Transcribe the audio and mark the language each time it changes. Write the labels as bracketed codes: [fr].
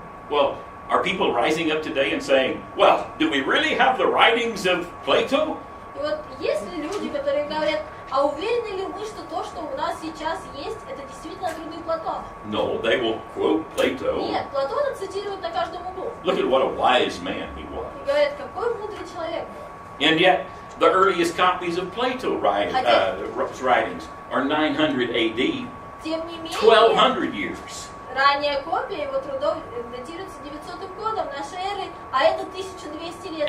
[en] Well, are people rising up today and saying, well, do we really have the writings of Plato? [ru] И вот есть ли люди, которые говорят, а уверены ли мы, что то, что у нас сейчас есть, это действительно труды Платона? [en] No, they will quote Plato. [ru] Нет, Платона цитируют на каждом углу. [en] Look at what a wise man he was. [ru] И говорят, какой мудрый человек был. [en] And yet, the earliest copies of Plato writings are 900 AD. [ru] Тем не менее, [en] 1200 years. [ru] Ранняя копия его трудов датируется 900 годом нашей эры, а это 1200 лет.